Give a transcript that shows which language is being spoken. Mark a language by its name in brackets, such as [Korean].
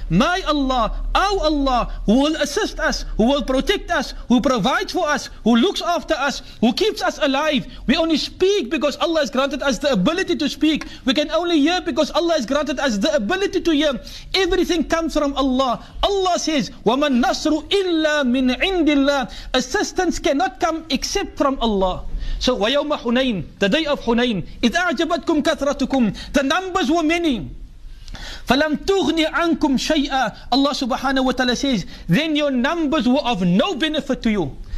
[English] My Allah. Our Allah. Who will assist us. Who will protect us. Who provides for us, who looks after us, who keeps us alive. We only speak because Allah has granted us the ability to speak. We can only hear because Allah has granted us the ability to hear. Everything comes from Allah. Allah says, [Arabic] وَمَن نَصْرُ إِلَّا مِنْ عِنْدِ اللَّهِ. [English] Assistance cannot come except from Allah. So, [Arabic] وَيَوْمَ حُنَيْنَ, [English] the day of Hunayn, [Arabic] إِذْ أَعْجَبَتْكُمْ كَثْرَتُكُمْ. [English] The numbers were many. [Arabic] فَلَمْ تُغْنِ عَنْكُمْ شَيْئًا. [English] Allah subhanahu wa ta'ala says, then your numbers were of no benefit to you.